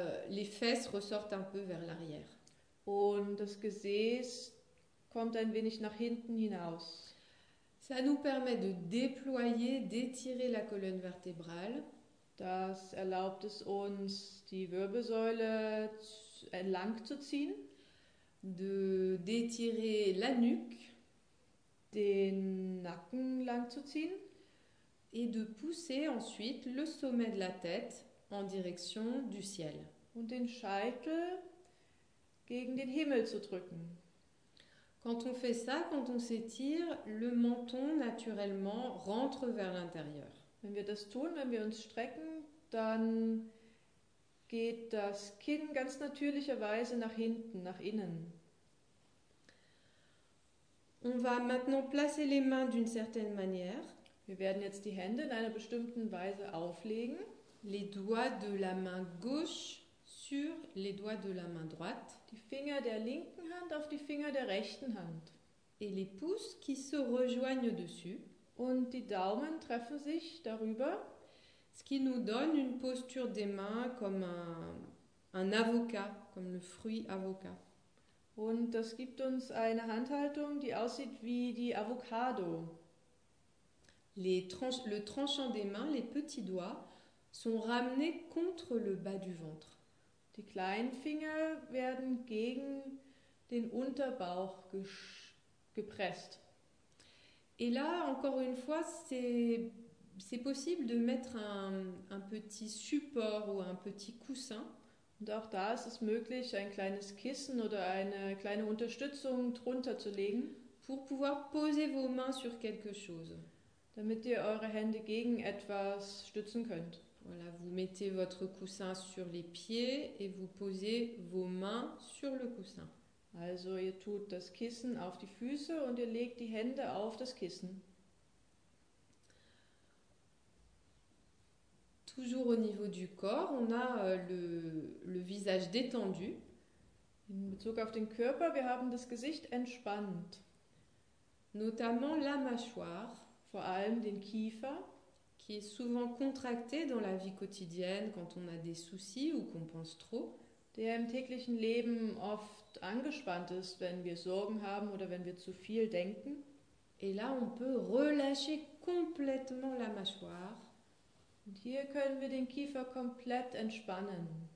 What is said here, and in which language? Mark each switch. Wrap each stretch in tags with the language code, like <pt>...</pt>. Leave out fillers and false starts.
<fr>Les fesses ressortent un peu vers l'arrière.</fr> <de>Und das Gesäß kommt ein wenig nach hinten hinaus.</de> <fr>Ça nous permet de déployer, d'étirer la colonne vertébrale.</fr> <de>Das erlaubt es uns, die Wirbelsäule entlang zu ziehen.</de> <fr>De d'étirer la nuque,</fr> <de>den Nacken lang zu ziehen,</de> <fr>et de pousser ensuite le sommet de la tête en direction du ciel.</fr> <de>Und den Scheitel gegen den Himmel zu drücken.</de> <fr>Quand on fait ça, quand on s'étire, le menton naturellement rentre vers l'intérieur.</fr> <de>Wenn wir das tun, wenn wir uns strecken, dann geht das Kinn ganz natürlicherweise nach hinten, nach innen.</de> <fr>On va maintenant placer les mains d'une certaine manière.</fr> <de>Wir werden jetzt die Hände in einer bestimmten Weise auflegen.</de> <fr>Les doigts de la main gauche sur les doigts de la main droite.</fr> <de>Die Finger der linken Hand auf die Finger der rechten Hand.</de> <fr>Et les pouces qui se rejoignent dessus.</fr> <de>Und die Daumen treffen sich darüber.</de> <fr>Ce qui nous donne une posture des mains comme un avocat, comme le fruit avocat.</fr> <de>Und das gibt uns eine Handhaltung, die aussieht wie die Avocado.</de> <fr>Le tranchant des mains, les petits doigts, sont ramenés contre le bas du ventre.</fr> <de>Die kleinen Finger werden gegen den Unterbauch gepresst.</de> <fr>Et là, encore une fois, c'est possible de mettre un petit support ou un petit coussin.</fr> <de>Und auch da ist es möglich, ein kleines Kissen oder eine kleine Unterstützung drunter zu legen.</de> <fr>Pour pouvoir poser vos mains sur quelque chose.</fr> <de>Damit ihr eure Hände gegen etwas stützen könnt.</de> <fr>Voilà, vous mettez votre coussin sur les pieds et vous posez vos mains sur le coussin.</fr> <de>Also ihr tut das Kissen auf die Füße und ihr legt die Hände auf das Kissen.</de> <fr>Toujours au niveau du corps, on a le visage détendu.</fr> <de>In Bezug auf den Körper, wir haben das Gesicht entspannt.</de> <fr>Notamment la mâchoire,</fr> <de>vor allem den Kiefer,</de> <fr>qui est souvent contracté dans la vie quotidienne quand on a des soucis ou qu'on pense trop.</fr> <de>Der im täglichen Leben oft angespannt ist, wenn wir Sorgen haben oder wenn wir zu viel denken.</de> <fr>Et là, on peut relâcher complètement la mâchoire.</fr> <de>Und hier können wir den Kiefer komplett entspannen.</de>